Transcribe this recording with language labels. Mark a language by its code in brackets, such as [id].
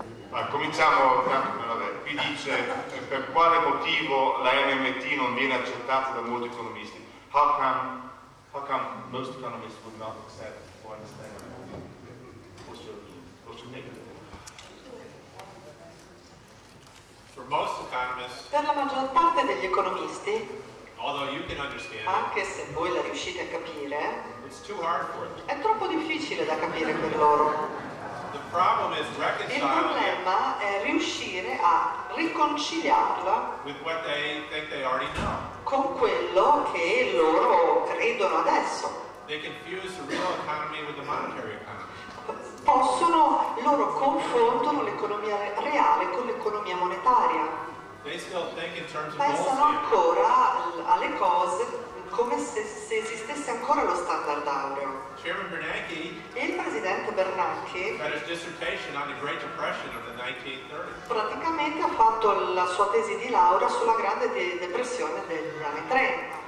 [it] Ma cominciamo, qui dice per quale motivo la MMT non viene accettata da molti economisti. [en] How come most economists would not accept or understand MMT? What's your name? For most economists, [it] per la maggior parte degli economisti, [en] although you can understand, [it] anche se voi la riuscite a capire, [en] it's too hard for it. [it] È troppo difficile da capire per loro. [en] The problem is reconciling. [it] Il problema è riuscire a riconciliarla [en] with what they think they already know. [it] Con quello che loro credono adesso. [en] They confuse the real economy with the monetary economy. [it] Possono, loro confondono l'economia reale con l'economia monetaria. [en] They still think in terms of [it] pensano ancora alle cose come se esistesse ancora lo standard aureo. [en] Chairman Bernanke, [it] il presidente Bernanke, [en] had his dissertation on the Great Depression of the 1930s. [it] Praticamente ha fatto la sua tesi di laurea sulla Grande Depressione degli anni 30.